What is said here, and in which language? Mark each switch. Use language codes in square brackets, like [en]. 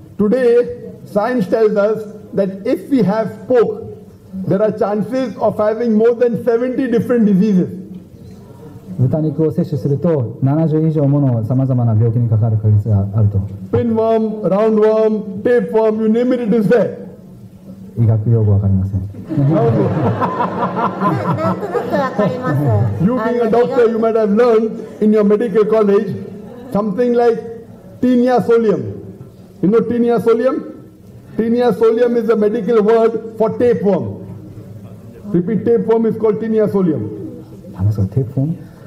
[en] Today, science tells us that if we have pork, there are chances of having more than 70 different diseases. [ja] 豚肉を摂取すると70以上もの様々な病気にかかる確率があると。 [en] Pinworm, roundworm, tapeworm, you name it, it is there. [ja] 医学用語わかりません。なんとなくわかります。 [en] You being a doctor, you might have learned in your medical college something like tinea solium. You know tinea solium? Tinea solium is a medical word for tapeworm. Repeat, tapeworm is called tinea solium. Tapeworm?